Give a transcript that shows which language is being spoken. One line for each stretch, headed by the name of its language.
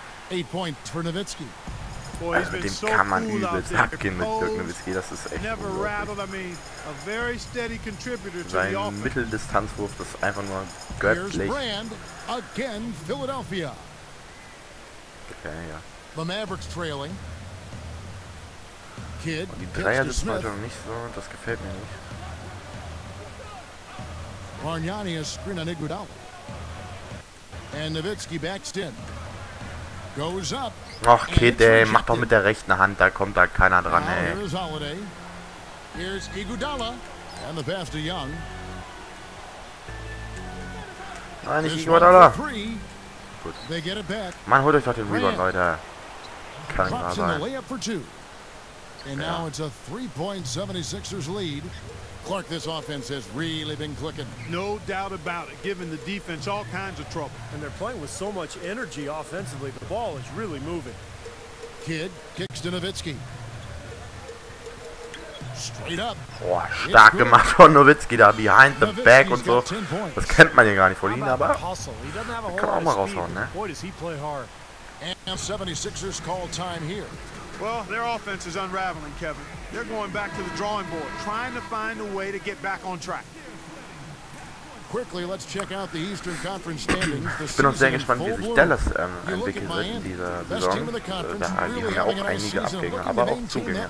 German: Also mit dem kann man übelst abgehen mit Dirk Nowitzki, das ist echt unglaublich. Sein Mitteldistanzwurf ist einfach nur göttlich. Okay, ja. Und die Dreier sitzen heute noch nicht so, das gefällt mir nicht.
English: Arnani has screened on Iguodala. And Nowitzki backs in. Goes up.
German: Ach, Kid, ey, mach doch mit der rechten Hand, da kommt da keiner dran, ey.
English: Here's Holiday. Here's Iguodala. And the pass to Young.
German: Nein, nicht Iguodala. Gut. Mann, holt euch doch den Rebound, Leute. Kann ich mal sein. Ja.
English: And now it's a 3-point 76ers lead. Clark, this offense has really been clicking. No doubt about it, giving the defense all kinds of trouble. And they're playing with so much energy offensively, the ball is really moving. Kidd kicks to Nowitzki. Straight up.
German: Boah, stark gemacht von Nowitzki da,
English: behind the back
German: und so. Das kennt man ja gar nicht von ihm, aber kann auch mal raushauen, ne?
English: Boy, does he play hard. And 76ers call time here. Well, their offense is unraveling, Kevin. They're going back to the drawing board, trying to find a way to get back on track. Quickly, let's check out the Eastern Conference standings.
German: Ich bin auch sehr gespannt, wie sich Dallas entwickeln wird in dieser Saison. Die haben ja auch einige Abgänge, aber auch Zugänge.